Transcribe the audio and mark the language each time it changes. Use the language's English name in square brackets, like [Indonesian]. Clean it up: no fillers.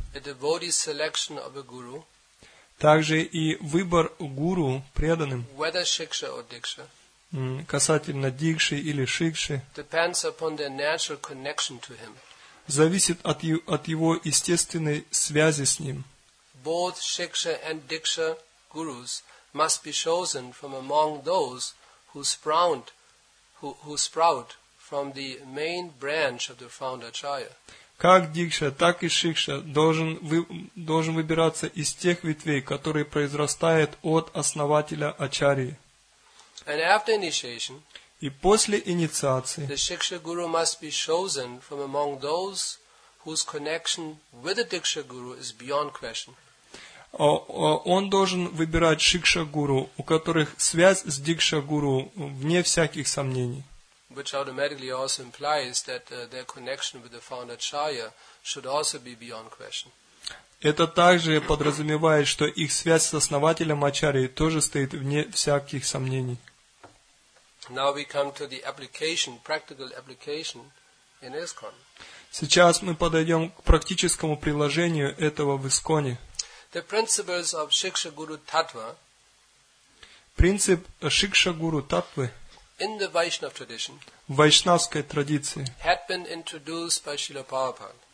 [English] A devotee's selection of a guru. [Russian] Также и выбор гуру преданным. [English] Whether Shiksha or Diksha. [Russian] Касательно Дикши или Шикши. [English] Depends upon their natural connection to him. [Russian] Зависит от его естественной связи с ним. [English] Both Shiksha and Diksha gurus must be chosen from among those who sprout from the main branch of the founder Acharya. [Russian] Как Дикша, так и Шикша должен выбираться из тех ветвей, которые произрастают от основателя Ачарьи. [English] And after initiation, [Russian] и после инициации, [English] the Shiksha Guru must be chosen from among those whose connection with the Diksha Guru is beyond question. [Russian] Он должен выбирать Шикша Гуру, у которых связь с Дикша Гуру вне всяких сомнений. [English] Which automatically also implies that their connection with the founder Acharya should also be beyond question. [Russian] Это также подразумевает, что их связь с основателем Ачарьи тоже стоит вне всяких сомнений. [English] Now we come to the application, practical application in ISKCON. [Russian] Сейчас мы подойдем к практическому приложению этого в ИСККОНе. [English] The principles of Shiksha Guru Tattva. [Russian] Принцип Шикша Гуру Таттвы. [English] In the Vaishnav tradition. [Russian] В вайшнавской традиции. [English] Had been introduced by Srila Prabhupada.